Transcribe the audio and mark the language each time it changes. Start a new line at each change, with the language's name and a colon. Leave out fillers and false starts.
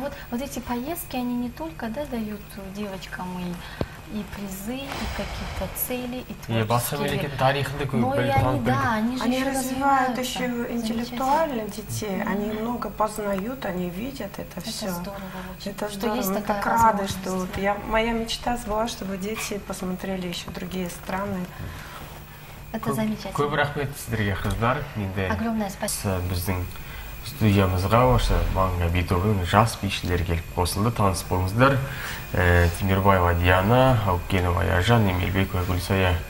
Russian: Но вот эти поездки, они не только дают девочкам и призы, и какие-то цели, и творческие. Они развивают еще интеллектуально детей, они много познают, они видят это все. Это здорово очень. Это здорово, мы так рады, что вот моя мечта была, чтобы дети посмотрели еще другие страны. Это замечательно.
Kazakh: Көп рахмет сіздерге, қыздар.
Russian: Огромное спасибо.
Kazakh: Біздің студиямызға осы маңға бетовын жас бишілер келіп қосылды. Танысып болыңыздар. Тимирбаева Диана, Аукенова Аяжан, Емелбекова Гүлсая.